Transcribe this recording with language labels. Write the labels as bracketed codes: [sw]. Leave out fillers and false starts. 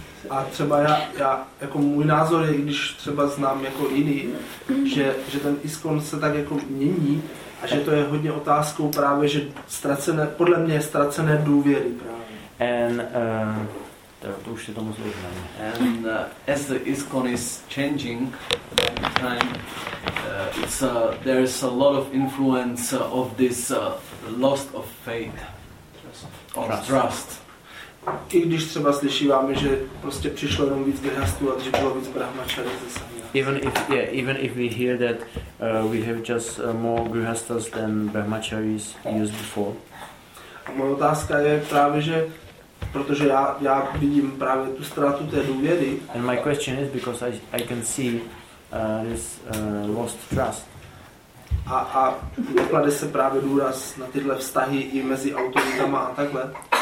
[cs] A třeba já jako můj názor je, když třeba znám jako jiný, že ten ISKCON se tak jako mění a že to je hodně otázkou právě, že ztracené, podle mě ztracené důvěry právě. To už je tomu zložené. [en] And as the ISKCON is changing by the time, there is a lot of influence of this loss of faith, of trust. [cs] I když třeba slyšíváme, že prostě přišlo jenom víc grihastů a že bylo víc brahmačarů ze sannyasů. [en] Even if we hear that we have just more grihastas than brahmacharis used before. [cs] A moje otázka je právě, že protože já vidím právě tu ztrátu té důvěry. [en] And my question is because I can see this lost trust. [cs] A neklade se právě důraz na tyhle vztahy i mezi autoritama a takhle.